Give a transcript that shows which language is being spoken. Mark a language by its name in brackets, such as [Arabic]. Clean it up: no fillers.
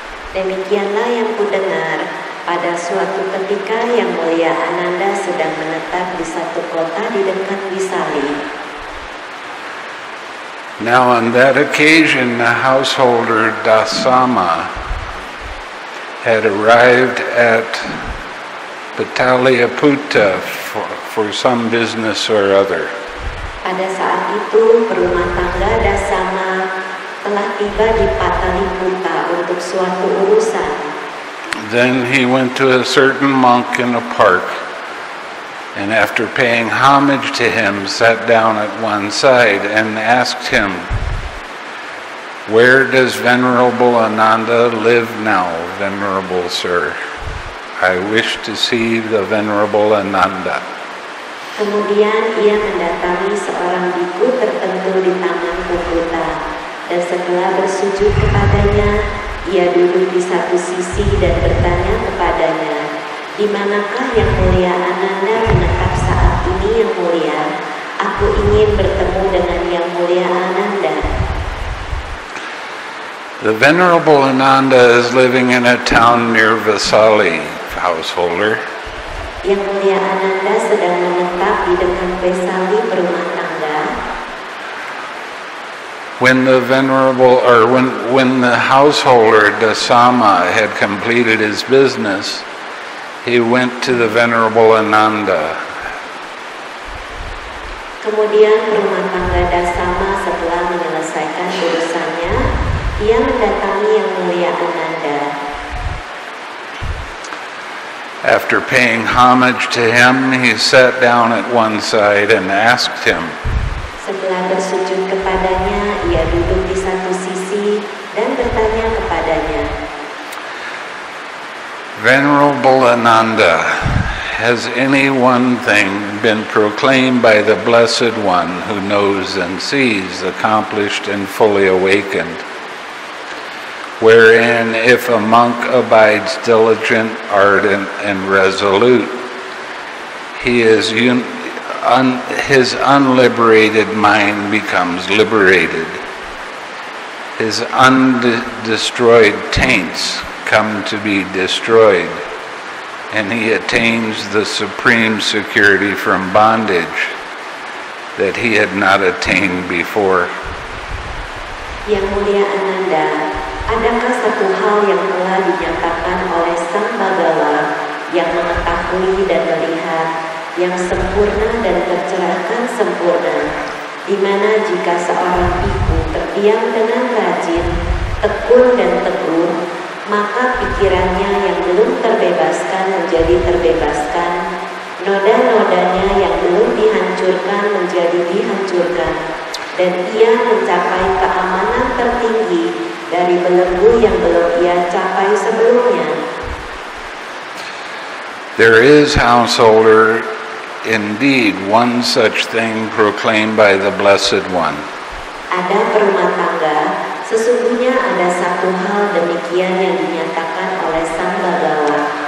[Indonesian] Demikianlah yang kudengar, pada suatu ketika yang mulia Ananda sedang menetap di satu kota di dekat Vasali. [English] Now on that occasion the householder Dasama had arrived at Pataliputta for some business or other. [Indonesian] Pada saat itu perumah tangga Dasama telah tiba di Pataliputta untuk suatu urusan. [English] Then he went to a certain monk in a park and after paying homage to him sat down at one side and asked him, "Where does Venerable Ananda live now, Venerable Sir? I wish to see the Venerable Ananda." [Indonesian] Kemudian ia mendatangi seorang biku tertentu di taman Kubuta, dan setelah bersujud kepadanya, ia duduk di satu sisi dan bertanya kepadanya, "Di manakah yang mulia Ananda menetap saat ini yang mulia? Aku ingin bertemu dengan yang mulia Ananda." [English] "The Venerable Ananda is living in a town near Vasali, householder." [Indonesian] Yang mulia Ananda sedang menetap di dekat Vasali, perumah tangga. [English] When the householder Dasama had completed his business, he went to the Venerable Ananda. [Indonesian] Kemudian perumah tangga Dasama setelah menyelesaikan urusannya, ia mendatangi yang mulia Ananda. [English] After paying homage to him, he sat down at one side and asked him, [Indonesian] setelah bersujud kepadanya, ia duduk di satu sisi dan bertanya kepadanya, [English] "Venerable Ananda, has any one thing been proclaimed by the Blessed One who knows and sees, accomplished and fully awakened, wherein if a monk abides diligent, ardent, and resolute, his unliberated mind becomes liberated, his undestroyed taints come to be destroyed, and he attains the supreme security from bondage that he had not attained before?" [Indonesian] Yang mulia Ananda, adakah satu hal yang telah dinyatakan oleh Sang Bhagava yang mengetahui dan melihat yang sempurna dan tercerahkan sempurna, di mana jika seorang bhikkhu terdiam dengan rajin, tekun dan tegur, maka pikirannya yang belum terbebaskan menjadi terbebaskan, noda-nodanya yang belum dihancurkan menjadi dihancurkan, dan ia mencapai keamanan tertinggi dari belenggu yang belum ia capai sebelumnya. [English] "There is, householder, indeed one such thing proclaimed by the Blessed One." [Indonesian] Ada perumah tangga, sesungguhnya ada satu hal demikian yang dinyatakan oleh Sang Bhagava.